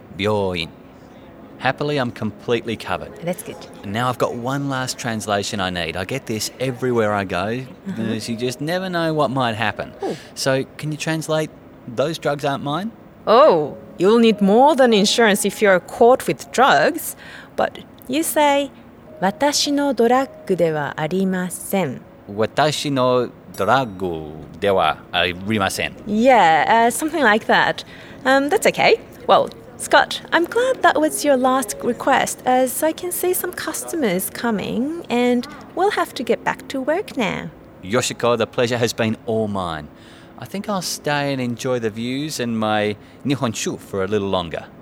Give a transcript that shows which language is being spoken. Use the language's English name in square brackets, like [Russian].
[English] Byoin. Happily, I'm completely covered. That's good. And now I've got one last translation I need. I get this everywhere I go, because you just never know what might happen. Ooh. So can you translate, those drugs aren't mine? Oh, you'll need more than insurance if you're caught with drugs. But you say, [Japanese] 私のドラッグではありません。私のドラッグではありません。 [English] Yeah, something like that. That's okay. Well, Scott, I'm glad that was your last request, as I can see some customers coming, and we'll have to get back to work now. Yoshiko, the pleasure has been all mine. I think I'll stay and enjoy the views and my nihonshu for a little longer.